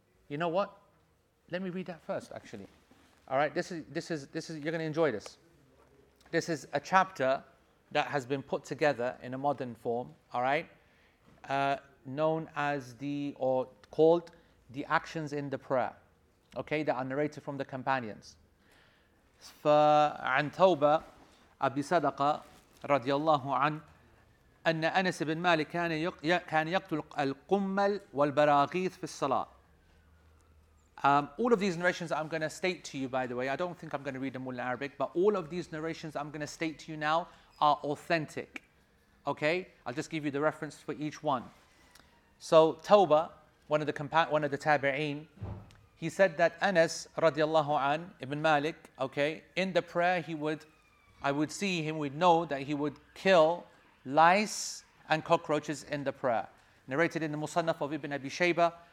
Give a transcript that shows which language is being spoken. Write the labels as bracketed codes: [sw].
[en] You know what? Let me read that first, actually. All right, this is you're going to enjoy this. This is a chapter that has been put together in a modern form, all right, known as called the actions in the prayer, okay, that are narrated from the companions. [ar] فَعَنْ تَوْبَ أَبِي صَدَقَ رَضِيَ اللَّهُ عَنْهُ أن أنس بن مالك كان يقتل القمل والبراغيث في الصلاة. [en] All of these narrations I'm going to state to you, by the way. I don't think I'm going to read them all in Arabic, but all of these narrations I'm going to state to you now are authentic. Okay? I'll just give you the reference for each one. So, Tawbah, one of the Tabi'een, he said that Anas, radiallahu an, ibn Malik, okay, in the prayer I would see him, we'd know that he would kill lice and cockroaches in the prayer. Narrated in the Musannaf of Ibn Abi Shayba,